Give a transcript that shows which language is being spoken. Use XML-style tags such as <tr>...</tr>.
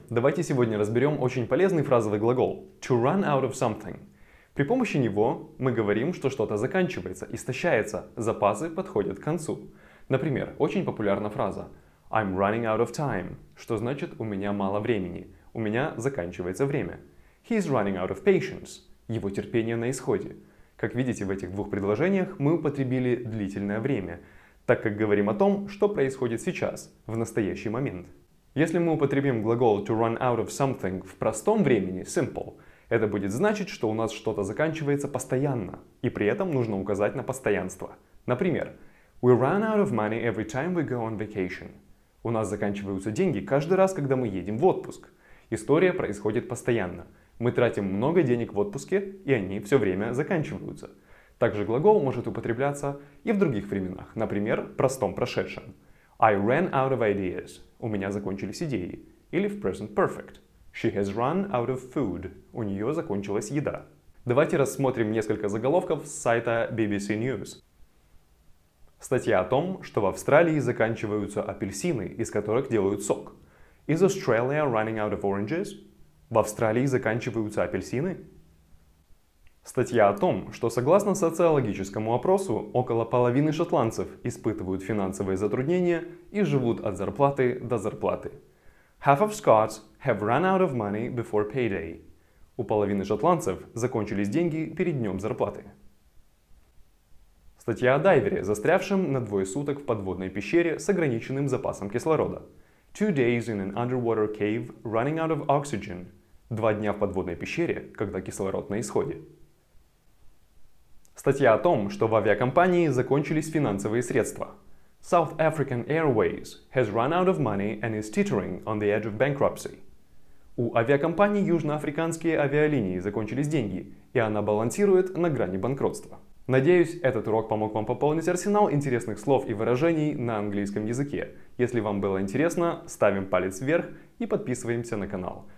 <ru>Давайте сегодня разберем очень полезный фразовый глагол</ru> <en>to run out of something.</en> <ru>При помощи него мы говорим, что что-то заканчивается, истощается, запасы подходят к концу. Например, очень популярна фраза</ru> <en>I'm running out of time,</en> <ru>что значит у меня мало времени, у меня заканчивается время.</ru> <en>He's running out of patience,</en> <ru>его терпение на исходе. Как видите, в этих двух предложениях мы употребили длительное время, так как говорим о том, что происходит сейчас, в настоящий момент. Если мы употребим глагол</ru> <en>to run out of something</en> <ru>в простом времени, simple, это будет значить, что у нас что-то заканчивается постоянно, и при этом нужно указать на постоянство.</ru> <en>Например, we run out of money every time we go on vacation.</en> <ru>У нас заканчиваются деньги каждый раз, когда мы едем в отпуск. История происходит постоянно. Мы тратим много денег в отпуске, и они все время заканчиваются. Также глагол может употребляться и в других временах, например, в простом прошедшем.</ru> <en>I ran out of ideas.</en> <ru>У меня закончились идеи. Или в present perfect.</ru> <en>She has run out of food.</en> <ru>У нее закончилась еда. Давайте рассмотрим несколько заголовков с сайта BBC News. Статья о том, что в Австралии заканчиваются апельсины, из которых делают сок.</ru> <en>Is Australia running out of oranges?</en> <ru>В Австралии заканчиваются апельсины? Статья о том, что согласно социологическому опросу, около половины шотландцев испытывают финансовые затруднения и живут от зарплаты до зарплаты.</ru> <en>Half of Scots have run out of money before payday.</en> <ru>У половины шотландцев закончились деньги перед днем зарплаты. Статья о дайвере, застрявшем на двое суток в подводной пещере с ограниченным запасом кислорода.</ru> <en>2 days in an underwater cave running out of oxygen.</en> <ru>2 дня в подводной пещере, когда кислород на исходе. Статья о том, что в авиакомпании закончились финансовые средства.</ru> <en>South African Airways has run out of money and is teetering on the edge of bankruptcy.</en> <ru>У авиакомпании Южноафриканские авиалинии закончились деньги, и она балансирует на грани банкротства. Надеюсь, этот урок помог вам пополнить арсенал интересных слов и выражений на английском языке. Если вам было интересно, ставим палец вверх и подписываемся на канал.</ru>